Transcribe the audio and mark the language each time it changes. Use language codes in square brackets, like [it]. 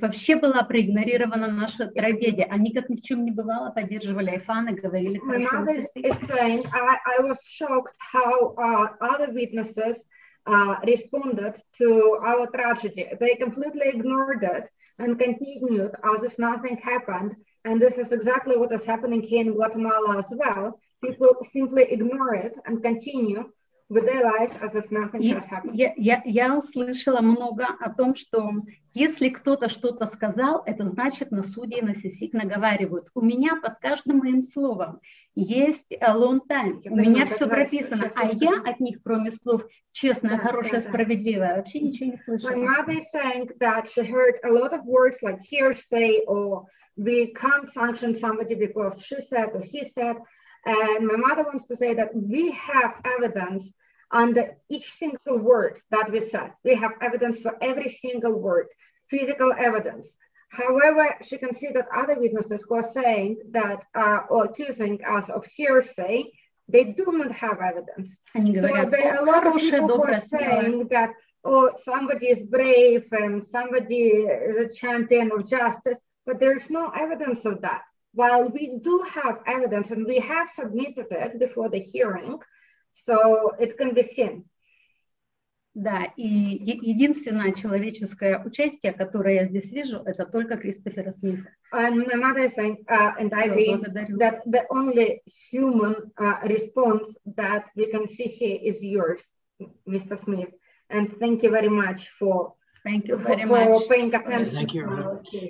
[ru] Вообще была проигнорирована наша трагедия. Они как ни в чем не бывало поддерживали Айфан и говорили хорошо. [en] My mother is saying, I was shocked how other witnesses responded to our tragedy. They completely ignored it and continued as if nothing happened. And this is exactly what is happening here in Guatemala as well. People simply ignore it and continue with their life as if nothing has happened. [ru] Я услышала много о том, что если кто-то что-то сказал, это значит на суде на CSIG наговаривают. У меня под каждым моим словом есть [en] long time. [ru] У меня все прописано. А я от них, кроме слов, честная, хорошая, справедливая, вообще ничего не слышала. [en] My mother is saying that she heard a lot of words like hearsay or we can't sanction somebody because she said or he said. And my mother wants to say that we have evidence under each single word that we said. We have evidence for every single word, physical evidence. However, she can see that other witnesses who are saying that or accusing us of hearsay, they do not have evidence. So there are a lot of people who are saying that, oh, somebody is brave and somebody is a champion of justice, but there is no evidence of that. While we do have evidence and we have submitted it before the hearing, so it can be seen. [ru] Да, и единственное человеческое участие, которое я здесь вижу, это только Кристофера Смита. [en] And my mother saying, and I agree that the only human response that we can see here is yours, Mr. Smith. And thank you very much for paying attention. Thank you.